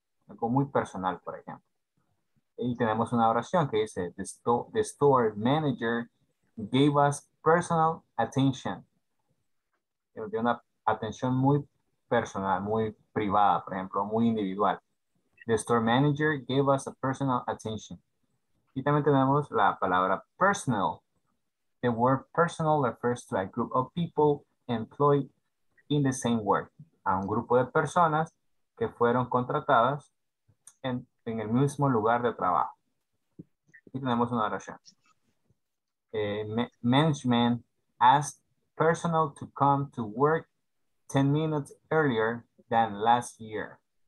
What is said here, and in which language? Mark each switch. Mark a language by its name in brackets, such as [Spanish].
[Spanish] Algo muy personal, por ejemplo. Y tenemos una oración que dice, [English] the store manager gave us personal attention. [Spanish] Nos dio una atención muy personal, muy privada, por ejemplo, muy individual. [English] The store manager gave us a personal attention. [Spanish] Y también tenemos la palabra personal. [English] The word personal refers to a group of people employed in the same work. [Spanish] A un grupo de personas que fueron contratadas en el mismo lugar de trabajo. Y tenemos una oración. [English] Management asked personal to come to work 10 minutes earlier than last year.